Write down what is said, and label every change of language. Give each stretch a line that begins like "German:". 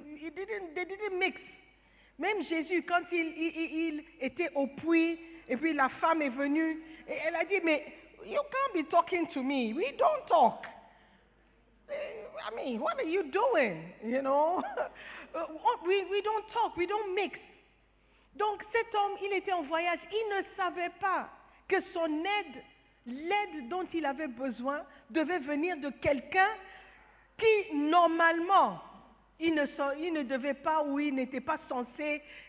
French: Ils
English: didn't mix.
French: Même Jésus, quand il était au puits, et puis la femme est venue, et elle a dit, mais
English: you can't be talking to me, we don't talk. I mean, what are you doing? You know? We don't talk, we don't mix.
French: Donc cet homme, il était en voyage, il ne savait pas que son aide, l'aide dont il avait besoin, devait venir de quelqu'un qui normalement, il ne devait pas ou il n'était pas censé